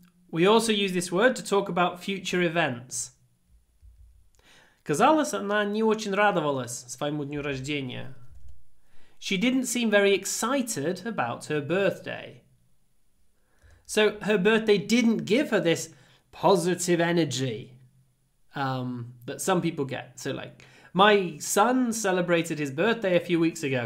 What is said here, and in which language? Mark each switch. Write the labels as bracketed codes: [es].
[en] We also use this word to talk about future events. [ru] Казалось, она не очень радовалась своему дню рождения. [en] She didn't seem very excited about her birthday. So her birthday didn't give her this positive energy that some people get. So like, my son celebrated his birthday a few weeks ago.